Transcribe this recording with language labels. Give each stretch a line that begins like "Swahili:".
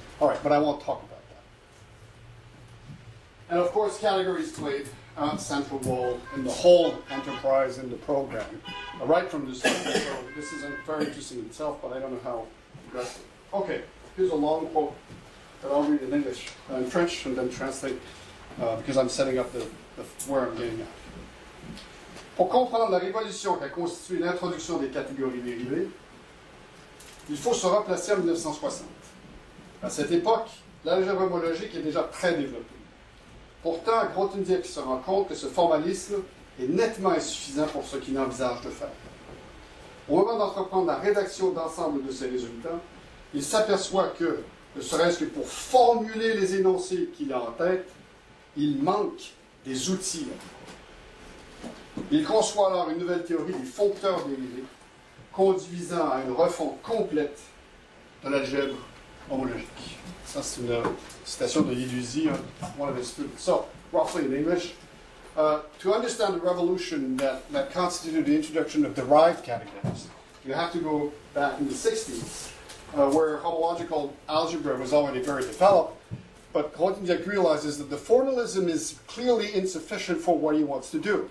English: All right, but I won't talk about that. And of course, categories played a central role in the whole enterprise in the program, right from the start. So this is very interesting in itself, but I don't know how progressive. Okay, here's a long quote that I'll read in English, in French, and then translate, because I'm setting up the where I'm getting at.
French: Pour comprendre la révolution qui a constitué l'introduction des catégories dérivées, il faut se replacer en 1960. À cette époque, l'algèbre homologique est déjà très développée. Pourtant, Grothendieck se rend compte que ce formalisme est nettement insuffisant pour ce qu'il envisage de faire. Au moment d'entreprendre la rédaction d'ensemble de ses résultats, il s'aperçoit que, ne serait-ce que pour formuler les énoncés qu'il a en tête, il manque des outils. Il conçoit alors une nouvelle théorie du foncteur dérivé, conduisant à une refonte complète de l'algèbre homologique. Ça, c'est une citation de Yiduzi,
English: one of his students. So, roughly in English, to understand the revolution that constituted the introduction of derived categories, you have to go back in the 60s, where homological algebra was already very developed, but Grothendieck realizes that the formalism is clearly insufficient for what he wants to do.